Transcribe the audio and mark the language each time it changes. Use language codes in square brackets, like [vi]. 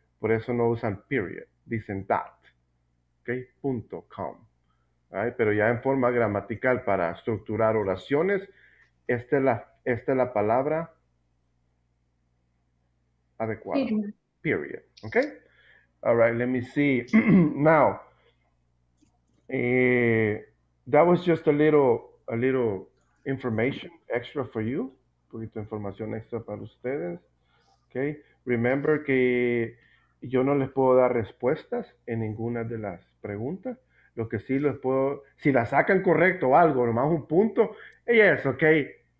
[es] Por eso no usan period, dicen that, okay? Punto com, right? Pero ya en forma gramatical para estructurar oraciones, esta es la palabra adecuada. [en] Period, okay? All right, let me see. Now, that was just a little information extra for you. [es] Un poquito de información extra para ustedes. Okay. Remember que yo no les puedo dar respuestas en ninguna de las preguntas. Lo que sí les puedo, si la sacan correcto o algo, nomás un punto, yes, okay.